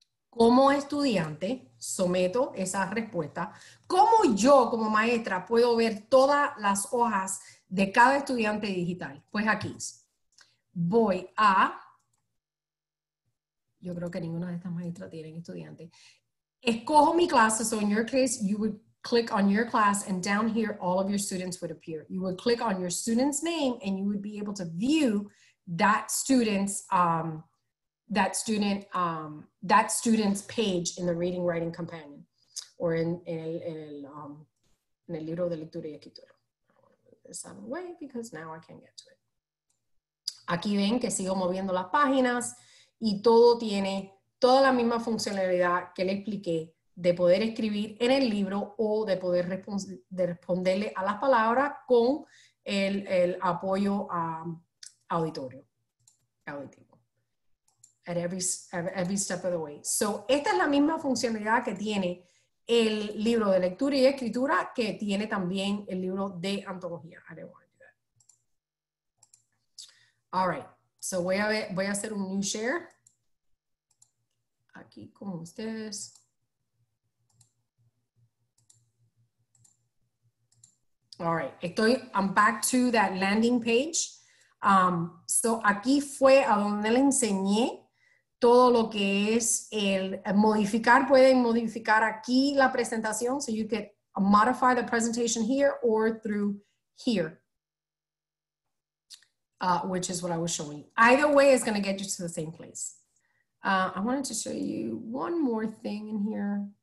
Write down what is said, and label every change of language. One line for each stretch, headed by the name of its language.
Spanish: Como estudiante, someto esa respuesta. ¿Cómo yo, como maestra, puedo ver todas las hojas de cada estudiante digital? Pues aquí. Voy a... Yo creo que ninguna de estas maestras tiene estudiante. Escojo mi clase.
English: So in your case, you would click on your class and down here, all of your students would appear. You would click on your student's name and you would be able to view that student's... That student's page in the reading writing companion, or in
Spanish: el libro de lectura y escritura.
English: I want to move this out of the way because now I can't get to it.
Spanish: Aquí ven que sigo moviendo las páginas y todo tiene toda la misma funcionalidad que le expliqué de poder escribir en el libro o de poder responderle a las palabras con el apoyo auditorio, auditivo.
English: At every step of the way.
Spanish: So, esta es la misma funcionalidad que tiene el libro de lectura y escritura que tiene también el libro de antología.
English: I didn't want to do that. All right.
Spanish: So, voy a hacer un
English: new share.
Spanish: Aquí con ustedes.
English: All right. I'm back to that landing page.
Spanish: So, aquí fue a donde le enseñé todo lo que es el modificar, pueden modificar aquí la presentación.
English: So you could modify the presentation here or through here, which is what I was showing. Either way is going to get you to the same place. I wanted to show you one more thing in here.